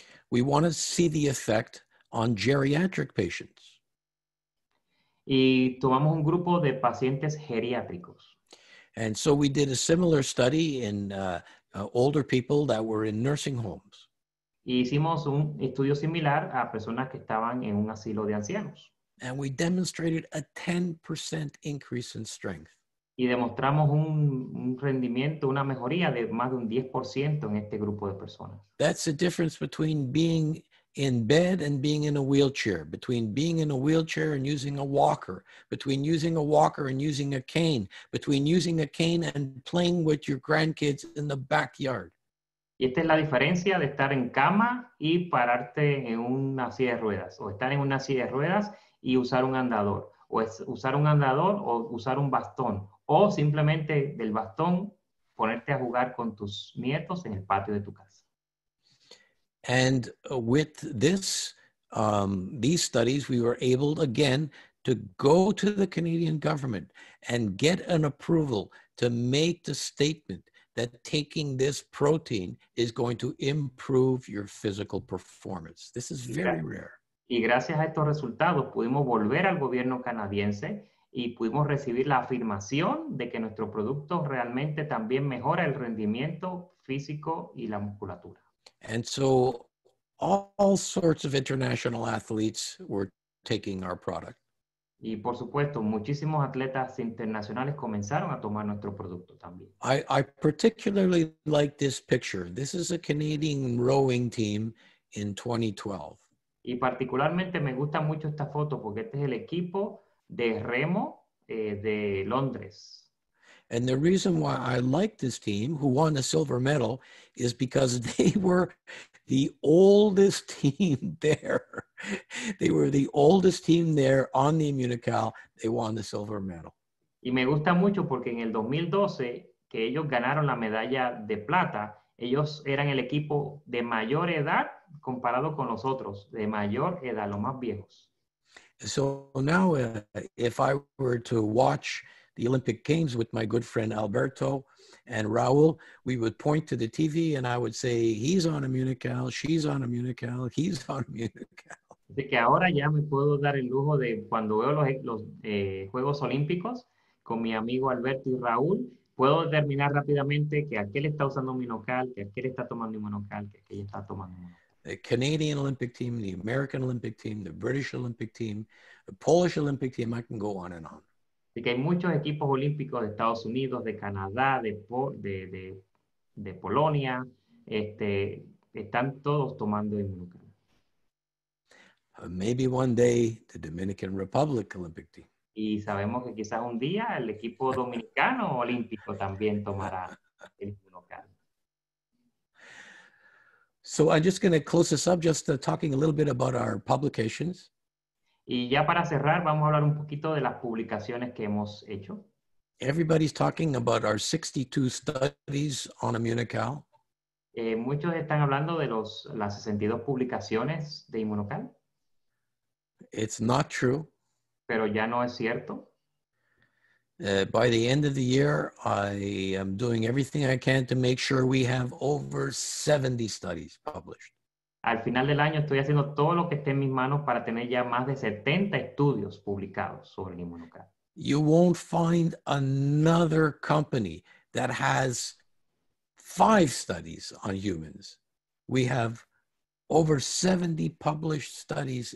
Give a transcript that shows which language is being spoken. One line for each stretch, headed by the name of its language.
English: We want to see the effect on geriatric patients.
Spanish: Y tomamos un grupo de pacientes geriátricos.
English: And so we did a similar study in older people that were in nursing homes.
Spanish: Y hicimos un estudio similar a personas que estaban en un asilo de ancianos.
English: And we demonstrated a 10% increase in strength.
Spanish: Y demostramos un rendimiento, una mejoría de más de un 10% en este grupo de personas.
English: That's the difference between being in bed and being in a wheelchair, between being in a wheelchair and using a walker, between using a walker and using a cane, between using a cane and playing with your grandkids in the backyard.
Spanish: Y esta es la diferencia de estar en cama y pararte en una silla de ruedas, o estar en una silla de ruedas y usar un andador, o usar un andador o usar un bastón, o simplemente del bastón ponerte a jugar con tus nietos en el patio de tu casa.
English: And with this, these studies, we were able again to go to the Canadian government and get an approval to make the statement that taking this protein is going to improve your physical performance. This is very rare.
Spanish: Y gracias a estos resultados, pudimos volver al gobierno canadiense y pudimos recibir la afirmación de que nuestro producto realmente también mejora el rendimiento físico y la musculatura.
English: And so all sorts of international athletes were taking our product.
Spanish: Y por supuesto, muchísimos atletas internacionales comenzaron a tomar nuestro producto también.
English: I particularly like this picture. This is a Canadian rowing team in 2012.
Spanish: Y particularmente me gusta mucho esta foto porque este es el equipo de remo de Londres.
English: And the reason why I like this team, who won a silver medal, is because they were the oldest team there. They were the oldest team there on the Immunocal. They won the silver medal.
Spanish: Y me gusta mucho porque en el 2012, que ellos ganaron la medalla de plata, ellos eran el equipo de mayor edad comparado con los otros, de mayor edad, los más viejos.
English: So now, if I were to watch the Olympic Games with my good friend Alberto and Raul, we would point to the TV and I would say, he's on Immunocal, she's on Immunocal, he's on Immunocal.
Spanish: Así que ahora ya me puedo dar el lujo de cuando veo los Juegos Olímpicos con mi amigo Alberto y Raul, puedo determinar rápidamente que aquel está usando Immunocal, que aquel está tomando Immunocal, que aquel está tomando Immunocal.
English: The Canadian Olympic team, the American Olympic team, the British Olympic team, the Polish Olympic team, I can go on and on.
Spanish: Así que hay muchos equipos olímpicos de Estados Unidos, de Canadá, de Polonia, están todos tomando Immunocal.
English: Maybe one day the Dominican Republic Olympic team.
Spanish: Y sabemos que quizás un día el equipo dominicano olímpico también tomará el Immunocal.
English: So I'm just going to close this up just talking a little bit about our publications.
Spanish: Y ya para cerrar, vamos a hablar un poquito de las publicaciones que hemos hecho.
English: Everybody's talking about our 62 studies on Immunocal.
Spanish: Muchos están hablando de las 62 publicaciones de Immunocal.
English: It's not true.
Spanish: Pero ya no es cierto.
English: By the end of the year, I am doing everything I can to make sure we have over 70 studies published.
Spanish: Al final del año estoy haciendo todo lo que esté en mis manos para tener ya más de 70 estudios publicados sobre Immunocal.
English: You won't find another company that has 5 studies on humans. We have over 70 published studies.